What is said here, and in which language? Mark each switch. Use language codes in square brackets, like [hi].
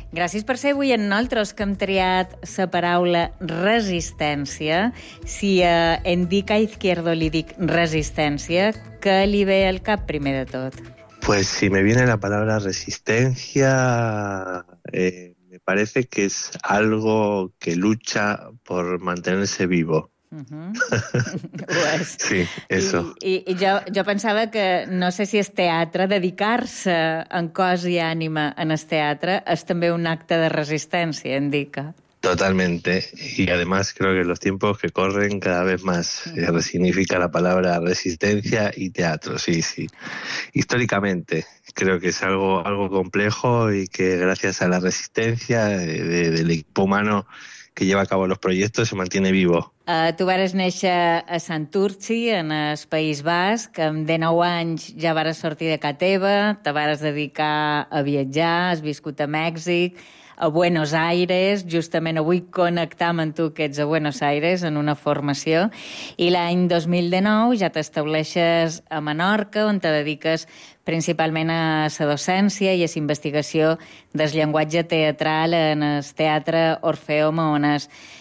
[ca] Gràcies per ser avui amb nosaltres, que hem triat la paraula resistència. Si a Endika Izquierdo li dic resistència, què li ve al cap primer de tot? [es] Pues si me viene la palabra resistencia, me parece que es algo que lucha por mantenerse vivo. Pues, sí, eso. [ca] I jo pensava que no sé si és teatre, dedicar-se en cos i ànima en el teatre és també un acte de resistència, indica. [es] Totalmente. Y además creo que los tiempos que corren cada vez más significa la palabra resistencia y teatro, sí, sí. Históricamente creo que es algo complejo y que gracias a la resistencia del equipo humano que lleva a cabo los proyectos se mantiene vivo. [ca] Tu vares néixer a Santurtzi, en el País Basc. Amb 19 anys ja vares sortir de casa teva, te vares dedicar a viatjar, has viscut a Mèxic, a Buenos Aires. Justament avui connectam amb tu, que ets a Buenos Aires, en una formació. I l'any 2019 ja t'estableixes a Menorca, on te dediques principalment a la docència i a la investigació del llenguatge teatral en el Teatre Orfeo Mahones.